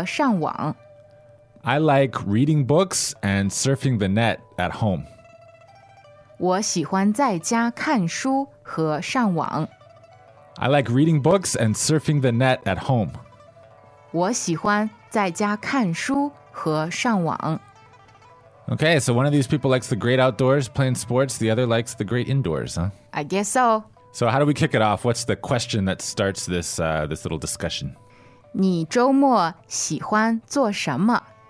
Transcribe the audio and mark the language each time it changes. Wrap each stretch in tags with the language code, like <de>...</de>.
<zh>我喜欢在家看书和上网。</zh> <en>I like reading books and surfing the net at home.</en> <zh>我喜欢在家看书和上网。</zh> <en>I like reading books and surfing the net at home.</en> <zh>我喜欢在家看书和上网。</zh> <en>Okay, so one of these people likes the great outdoors playing sports, the other likes the great indoors, huh? I guess so. So how do we kick it off? What's the question that starts this, this little discussion?</en> <zh>你周末喜欢做什么?</zh>